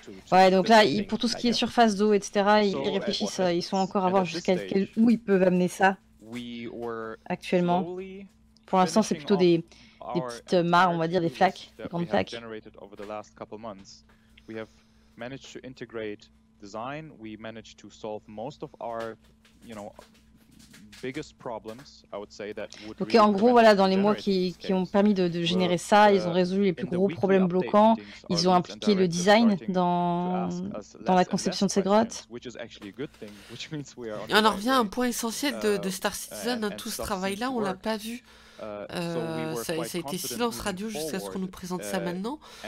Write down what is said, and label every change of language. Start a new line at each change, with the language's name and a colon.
French: Ouais, donc là, pour tout ce qui est surface d'eau, etc., ils réfléchissent, ils sont encore à voir jusqu'à où ils peuvent amener ça actuellement. Pour l'instant, c'est plutôt des petites mares, on va dire, des flaques, des grandes flaques.
English: Generated over the last couple months, we have managed to integrate design. We managed to solve most of our, you know, biggest problems. I would say that.
French: Ok, en gros, voilà, dans les mois qui ont permis de générer ça, ils ont résolu les plus gros problèmes bloquants. Ils ont impliqué le design dans la conception de ces grottes. Et on en revient à un point essentiel de Star Citizen. Tout ce travail-là, on l'a pas vu. Ça a été silence radio jusqu'à ce qu'on nous présente ça maintenant.